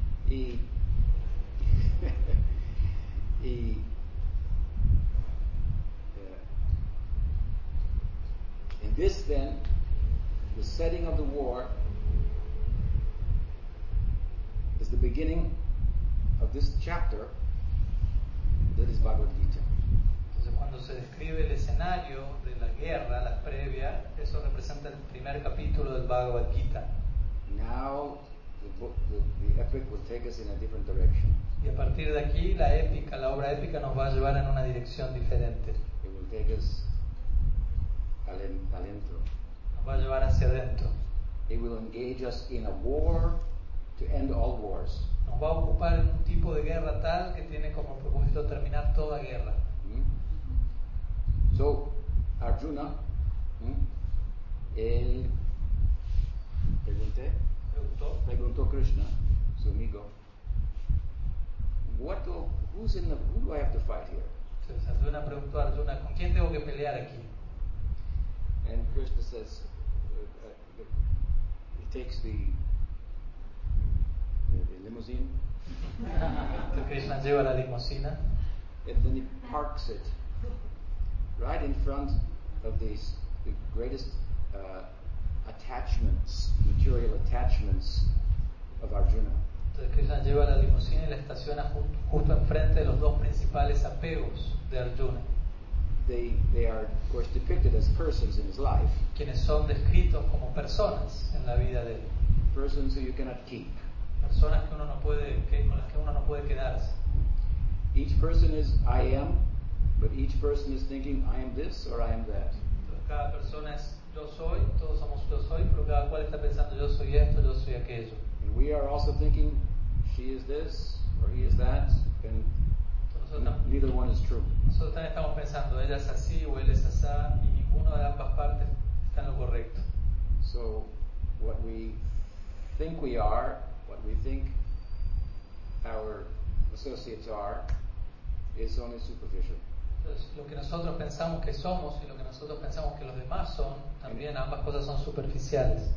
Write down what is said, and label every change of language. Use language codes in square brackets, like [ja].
[en] Y in this then the setting of the war is the beginning of this chapter that is Bhagavad Gita. [es] Entonces cuando se describe el escenario de la guerra, la previa, eso representa el primer capítulo del Bhagavad Gita. [en] Now the epic will take us in a different direction. [es] Y a partir de aquí la épica, la obra épica nos va a llevar en una dirección diferente. [en] It will take us [es] adentro. Nos va a llevar hacia adentro. [en] It will engage us in a war to end all wars. [es] Nos va a ocupar en un tipo de guerra tal que tiene como propósito terminar toda guerra. So Arjuna, él pregunté. Preguntó [en] Krishna, [es] su amigo, [en] who do I have to fight here? [es] Entonces Arjuna preguntó a Arjuna, ¿con quién tengo que pelear aquí? [en] And Krishna says, he takes the limousine. [es] Entonces Krishna lleva la limusina. [en] And then he parks it right in front of these the greatest attachments, material attachments of Arjuna. [es] Entonces Krishna lleva la limusina y estaciona justo enfrente de los dos principales apegos de Arjuna. [en] They are of course depicted as persons in his life. [es] Quienes son descritos como personas en la vida de él. [en] Persons who you cannot keep. [es] Personas que uno no puede, con las que uno no puede quedarse. [en] Each person is I am, but each person is thinking I am this or I am that. [es] Cada persona es yo soy, todos somos yo soy, pero cada cual está pensando yo soy esto, yo soy aquello. [en] And we are also thinking she is this or he is that, and neither one is true. [es] Nosotros también estamos pensando ella es así o él es asá, y ninguno de ambas partes está en lo correcto. [en] So what we think we are, what we think our associates are, is only superficial. [es] Entonces, lo que nosotros pensamos que somos y lo que nosotros pensamos que los demás son, también ambas cosas son superficiales.